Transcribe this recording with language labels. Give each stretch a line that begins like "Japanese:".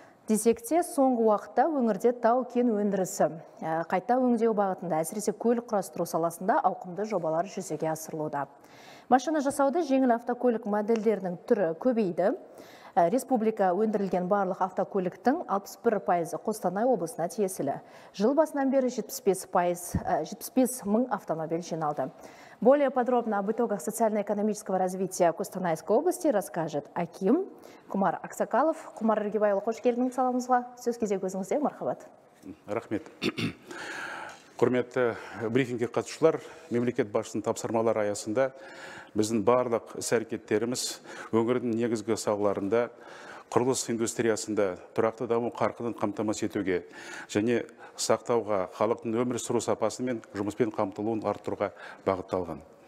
Kazakh: Десекте, соңғы уақытта өңірде тау-кен өндірісі қайта өңдеу бағытында, әсіресе көлік құрастыру саласында ауқымды жобалар жүзеге асырылуда. Машина жасауды жеңіл автокөлік модельдерінің түрі көбейді. Республика өндірілген барлық автокөліктің 61% Қостанай облысына тиесілі. Жыл басынан бері 75 мың автомобиль жиналды.
Russian: Более подробно об итогах социально-экономического развития Костанайской области расскажет Аким Кумар Аксакалов.
Kazakh: Кумар Ергебайлы, қош келдіңіз, саламызға. Сөз кезегі өзіңізде, мархабат. Рахмет. Құрметті брифингке қатысушылар, мемлекет басшысының тапсырмалары аясында біздің барлық іс-әрекеттеріміз өңірдің негізгі салаларында құрылыс индустриясында тұрақты даму қарқынын қамтамасыз етуге және сақтауға халықтың өмір сүру сапасы мен жұмыспен қамтылуын арттыруға бағытталған.